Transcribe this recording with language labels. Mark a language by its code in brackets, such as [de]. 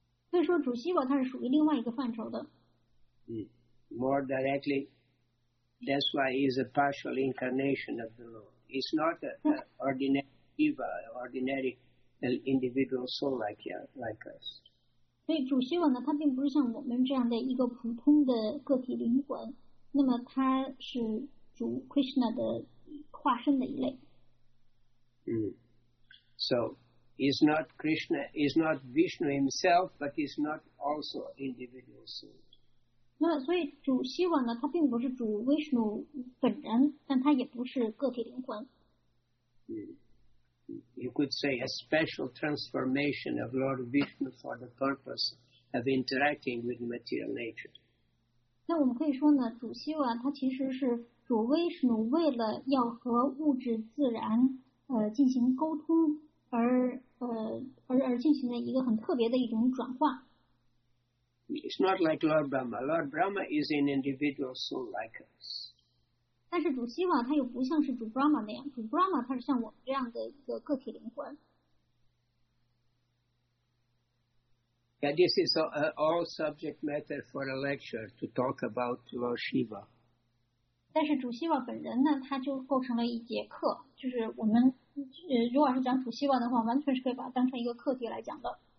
[zh] 所以说，主希瓦他是属于另外一个范畴的。 [en] More directly, that's why he's a partial incarnation of the Lord. He's not an ordinary Shiva, ordinary individual soul like us. [zh] 所以主希瓦呢，他并不是像我们这样的一个普通的个体灵魂，那么他是主 Krishna 的化身的一类。 [en] So he's not Krishna, he's not Vishnu himself, but he's not also individual soul. [zh] 那么所以主希瓦呢，他并不是主 Vishnu 本人，但他也不是个体灵魂。 [en] You could say a special transformation of Lord Vishnu for the purpose of interacting with material nature. [zh] 那我们可以说呢，主希瓦他其实是主 Vishnu 为了要和物质自然进行沟通而进行的一个很特别的一种转化。 [en] It's not like Lord Brahma. Lord Brahma is an individual soul like us. [zh] 但是主希瓦他又不像是主 Brahma 那样，主 Brahma 他是像我们这样的一个个体灵魂。 [en] Yeah, this is all subject matter for a lecture to talk about Lord Shiva. [zh] 但是主希瓦本人呢，他就构成了一节课，就是我们如果是讲主希瓦的话，完全是可以把它当成一个课题来讲的。